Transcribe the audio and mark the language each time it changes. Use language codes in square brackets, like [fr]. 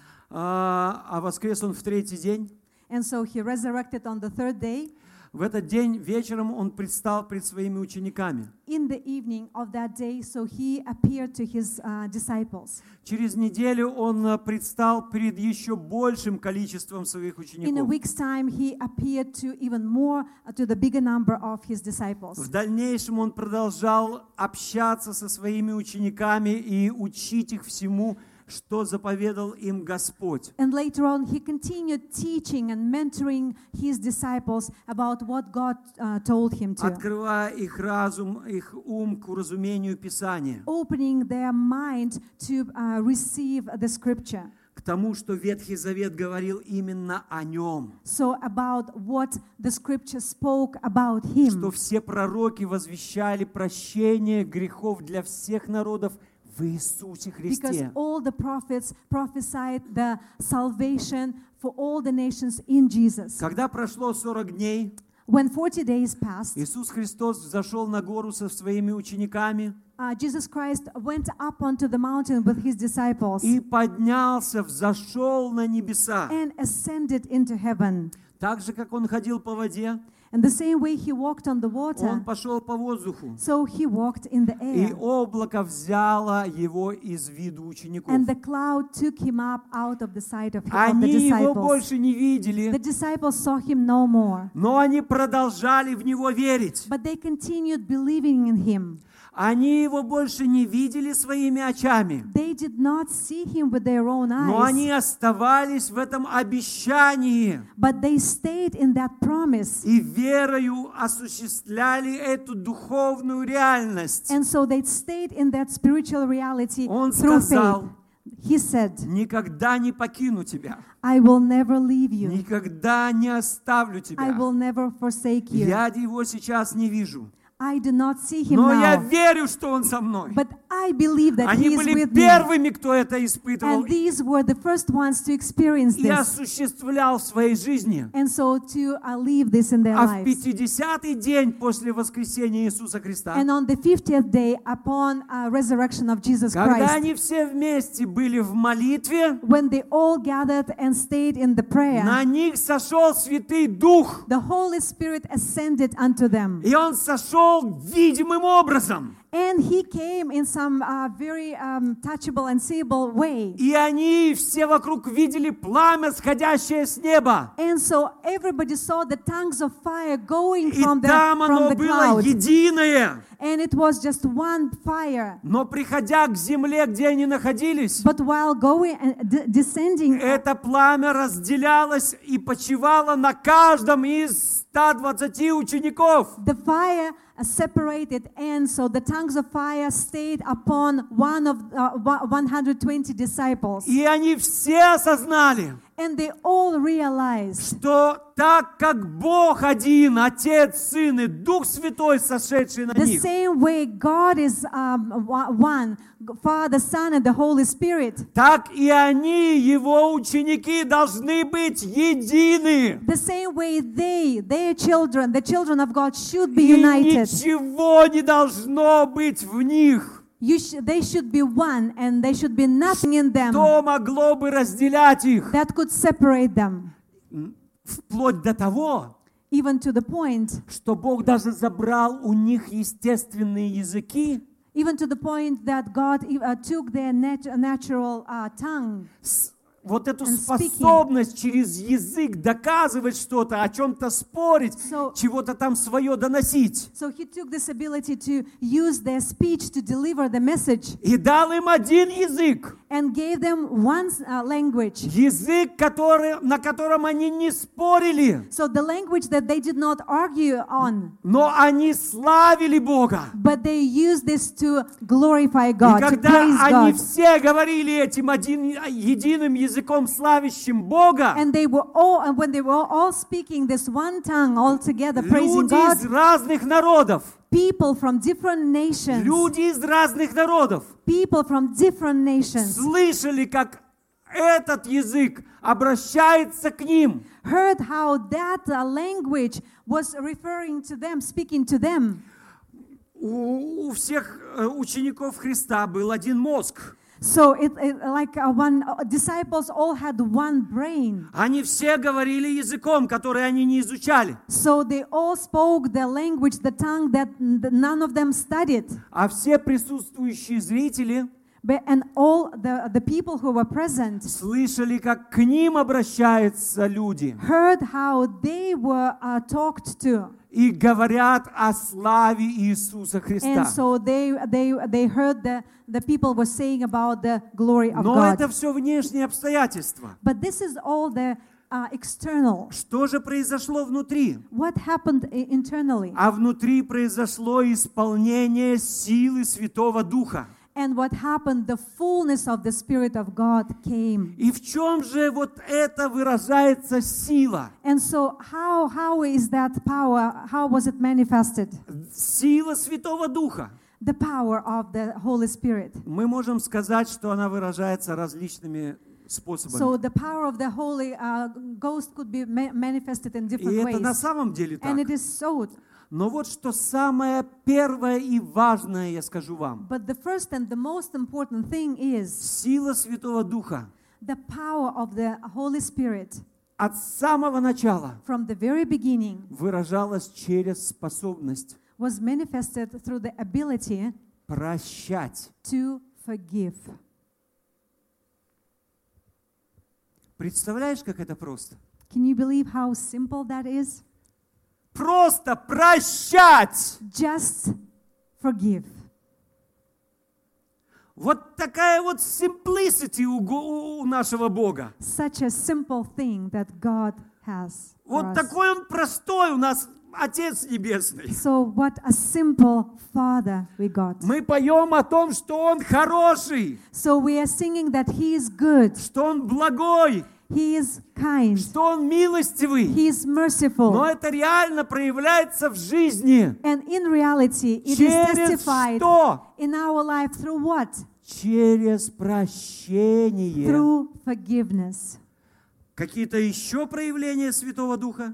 [ru] а воскрес Он в третий день, [en] and so He resurrected on the third day, [ru] в этот день вечером Он предстал пред Своими учениками. [en] In the evening of that day, so He appeared to His disciples. [ru] Через неделю Он предстал пред еще большим количеством Своих учеников. [en] In a week's time, He appeared to even more, to the bigger number of His disciples. [ru] В дальнейшем Он продолжал общаться со Своими учениками и учить их всему, что заповедал им Господь. [en] And later on, He continued teaching and mentoring His disciples about what God told Him to. [ru] Открывая их разум, их ум к разумению Писания. [en] Opening their mind to receive the Scripture. [ru] К тому, что Ветхий Завет говорил именно о Нем. [en] So about what the Scripture spoke about Him. [ru] Что все пророки возвещали прощение грехов для всех народов в Иисусе Христе. [en] Because all the prophets prophesied the salvation for all the nations in Jesus. [ru] Когда прошло 40 дней, [en] when 40 days passed, [ru] Иисус Христос взошел на гору со своими учениками, [en] Jesus Christ went up onto the mountain with His disciples, [ru] и поднялся, взошел на небеса, [en] and ascended into heaven. [ru] Так же, как Он ходил по воде, [en] and the same way He walked on the water, [ru] Он пошел по воздуху, [en] so He walked in the air. [ru] И облако взяло Его из виду учеников. [en] And the cloud took Him up out of the sight of the disciples. [ru] Они Его больше не видели. [en] The disciples saw Him no more. [ru] Но они продолжали в Него верить. [en] But they continued believing in Him. [ru] Они Его больше не видели своими очами. [en] They did not see Him with their own eyes. [ru] Но они оставались в этом обещании. [en] But they stayed in that promise. [ru] И верою осуществляли эту духовную реальность. [en] And so they stayed in that spiritual reality. [ru] Он сказал, [en] He said, [ru] никогда не покину тебя. [en] I will never leave you. [ru] Никогда не оставлю тебя. [en] I will never forsake you. [ru] Я Его сейчас не вижу. [en] I do not see Him [ru] но [en] now. [ru] Я верю, что Он со мной. [en] But I believe that [ru] они [en] He is with me. [ru] Они были первыми, кто это испытывал. [en] And these were the first ones to experience this. [ru] И осуществлял в своей жизни. [en] And so to live this in their lives. [ru] А в 50-й день после воскресения Иисуса Христа. [en] And on the 50th day upon resurrection of Jesus [ru] когда Когда они все вместе были в молитве. [en] When they all gathered and stayed in the prayer. [ru] На них сошел Святый Дух. [en] The Holy Spirit ascended unto them. [ru] И Он сошел видимым образом. [en] And He came in some some very touchable and seeable way. [ru] И они все вокруг видели пламя, сходящее с неба. [en] And so everybody saw the tongues of fire going [ru] и [en] from the [ru] там оно [en] from the [ru] было [en] cloud. [ru] Единое. [en] And it was just one fire. [ru] Но приходя к земле, где они находились, [en] but while going and descending, [ru] это пламя разделялось и почивало на каждом из 120 учеников. [en] The fire separated, and so the tongues of fire stayed upon one of 120 disciples. [ru] И они все осознали, [en] and they all realized, [ru] что так как Бог один, Отец, Сын и Дух Святой, сошедший на них, [en] the same way God is one, Father, Son, and the Holy Spirit, [ru] так и они, Его ученики, должны быть едины. [en] The same way they, their children, the children of God, should be united. [ru] И ничего не должно быть в них. [en] They should be one, and there should be nothing in them [ru] что могло бы разделять их. [en] That could separate them. [ru] Вплоть до того, [en] even to the point, [ru] что Бог даже забрал у них естественные языки, [en] even to the point that God took their natural tongue. [ru] Вот эту способность через язык доказывать что-то, о чем-то спорить, [en] so, [ru] чего-то там свое доносить. [en] So he took this ability to use their speech to deliver the message. [ru] И дал им один язык. [en] And gave them one language. [ru] Язык, который, на котором они не спорили. [en] So the language that they did not argue on. [ru] Но они славили Бога. [en] But they used this to glorify God. [ru] И когда [en] to praise [ru] они [en] God. [ru] Все говорили этим единым языком, славящим Бога, [en] and they were all, and when they were all speaking this one tongue all together, praising [ru] люди [en] God, [ru] из разных народов, [en] people from different nations, [ru] люди из разных народов, [en] people from different nations, [ru] слышали, как этот язык обращается к ним, [en] heard how that language was referring to them, speaking to them. [ru] У всех учеников Христа был один мозг. [en] So it like one disciples all had one brain. [ru] Они все говорили языком, который они не изучали. [en] So they all spoke the language, the tongue that none of them studied. [ru] А все присутствующие зрители, [en] but, and all the people who were present, [ru] слышали, как к ним обращаются люди. [en] Heard how they were talked to. [ru] И говорят о славе Иисуса Христа. [en] And so they heard the people were saying about the glory of [ru] но Но это все внешние обстоятельства. [en] But this is all the external. [ru] Что же произошло внутри? [en] What happened internally? [ru] А внутри произошло исполнение силы Святого Духа. [en] And what happened? The fullness of the Spirit of God came. [ru] И в чем же вот это выражается сила? [en] And so how is that power? How was it manifested? [ru] Сила Святого Духа. [en] The power of the Holy Spirit. [ru] Мы можем сказать, что она выражается различными способами. [en] So the power of the Holy Ghost could be manifested in different [ru] и [en] ways. [ru] И это на самом деле так. [en] And it is so. [ru] Но вот что самое первое и важное я скажу вам. [en] But the first and the most important thing is [ru] сила Святого Духа. [en] The power of the Holy Spirit. [ru] От самого начала. [en] From the very beginning. [ru] Выражалась через способность. [en] Was manifested through the ability. [ru] Прощать. [en] To forgive. [ru] Представляешь, как это просто? [en] Can you believe how simple that is? [ru] Просто прощать. [en] Just forgive. [ru] Вот такая вот simplicity у нашего Бога. [en] Such a simple thing that God has. [ru] Вот [en] for [ru] такой [en] us. [ru] Он простой у нас Отец Небесный. [en] So what a simple Father we got. [ru] Мы поем о том, что Он хороший. [en] So we are singing that He is good. [ru] Что Он благой. [en] He is kind. [ru] Что Он милостивый. [en] He is merciful. [ru] Но это реально проявляется в жизни. [en] And in reality, it [ru] через [en] is testified [ru] что? [en] In our life through what? [ru] Через прощение. [en] Through forgiveness. [ru] Какие-то еще проявления Святого Духа?